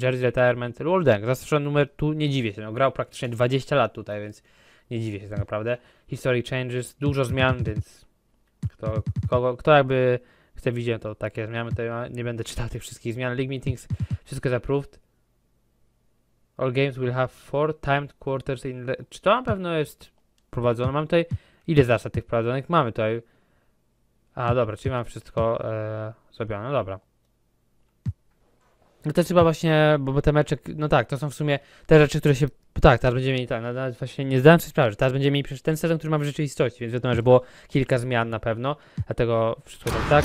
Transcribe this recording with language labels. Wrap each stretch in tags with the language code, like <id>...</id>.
<pl>Jersey Retirement, Luol Deng, zastrzeżony numer, tu nie dziwię się, no, grał praktycznie 20 lat tutaj, więc nie dziwię się tak naprawdę. History Changes, dużo zmian, więc. Kto jakby chce widzieć, to takie zmiany, to ja nie będę czytał tych wszystkich zmian.</pl> <en>League Meetings,</en> <pl>wszystko jest</pl> <en>approved. All games will have four timed quarters in.</en> <pl>Czy to na pewno jest prowadzone? Mam tutaj. Ile zasad tych prowadzonych? Mamy tutaj. A dobra, czyli mam wszystko zrobione, dobra. No to chyba właśnie, bo te mecze, no tak, to są w sumie te rzeczy, które się. Tak, teraz będziemy mieli, tak, nawet właśnie nie zdałem sobie sprawy, że teraz będziemy mieli przecież ten sezon, który mamy w rzeczywistości, więc wiadomo, że było kilka zmian na pewno, dlatego wszystko tak.</pl>